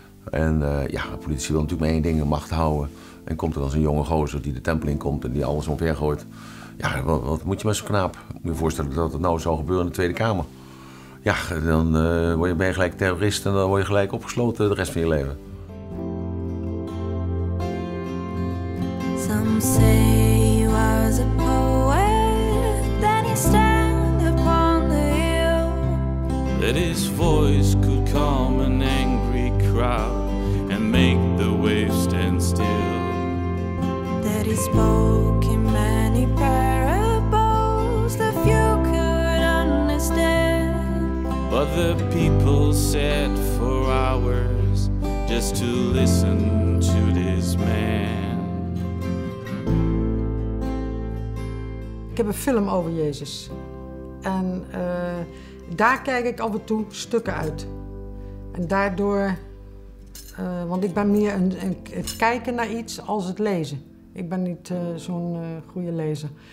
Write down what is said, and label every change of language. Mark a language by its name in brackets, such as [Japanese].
[Dutch] En de politici wil natuurlijk maar één ding, macht houden. En komt er dan zo'n jonge gozer die de tempel in komt en die alles omver gooit. Ja, wat moet je met zo'n knaap? Moet je voorstellen dat het nou zou gebeuren in de Tweede Kamer? Ja, dan ben je gelijk terrorist en dan word je gelijk opgesloten de rest van je leven. [English] Some say he was a poet, then he stand upon the hill. That his voice could calm an angry crowd and make the waves stand still. That he spoke in many parables that few could understand. But the people sat for hours just to listen to this man. [Dutch] Ik heb een film over Jezus. En daar kijk ik af en toe stukken uit. En daardoor, want ik ben meer het kijken naar iets als het lezen. Ik ben niet zo'n goede lezer.